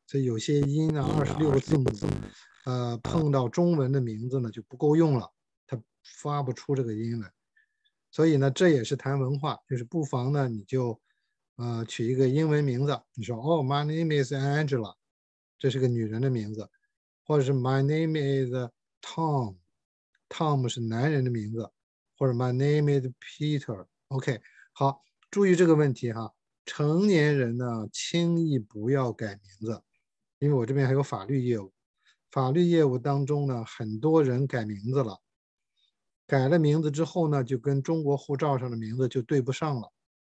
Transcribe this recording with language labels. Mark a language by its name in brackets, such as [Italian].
[Chinese] 所以有些音啊，26个字母，碰到中文的名字呢就不够用了，它发不出这个音来。所以呢，这也是谈文化，就是不妨呢你就，取一个英文名字，你说哦， [English] my name is Angela， [Chinese] 这是个女人的名字，或者是 [English] my name is Tom， [Chinese] Tom 是男人的名字。或者 [English] My name is Peter。 [Chinese] OK，好，注意这个问题哈。成年人呢，轻易不要改名字，因为我这边还有法律业务。法律业务当中呢，很多人改名字了，改了名字之后呢，就跟中国护照上的名字就对不上了。